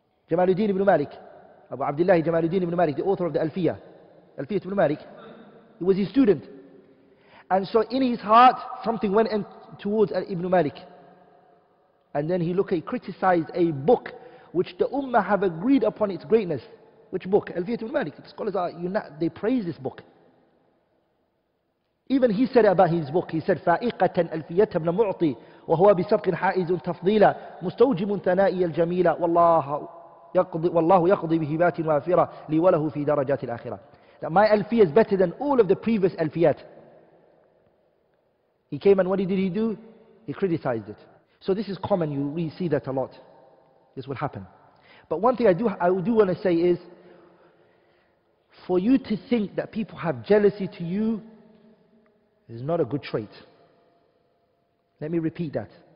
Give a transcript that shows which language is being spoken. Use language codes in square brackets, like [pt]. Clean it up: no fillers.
[en] Jamaluddin Ibn Malik, Abu Abdullah Jamaluddin Ibn Malik, the author of the Alfiyah, Alfiyah Ibn Malik. He was his student. And so in his heart, something went in towards Ibn Malik. And then he criticized a book which the Ummah have agreed upon its greatness. Which book? Alfiyah Ibn Malik. The scholars they praise this book. Even he said about his book, he said, [ar] فَائِقَةً أَلْفِيَّةَ ابْنَ مُعْطِي وَهُوَ بِسَبْقٍ حَائِزٌ تَفْضِيلًا مُسْتَوْجِمٌ ثَنَائِيَ الْجَمِيلًا وَاللَّهُ يَقْضِي بِهِبَاتٍ وَافِرًا لِوَلَهُ فِي دَرَجَاتِ الْآخِرَةِ. [en] That my Alfiyah is better than all of the previous Alfiyat. He came and what did he do? He criticized it. So this is common, we see that a lot. This will happen. But one thing I do want to say is, for you to think that people have jealousy to you, is not a good trait. Let me repeat that.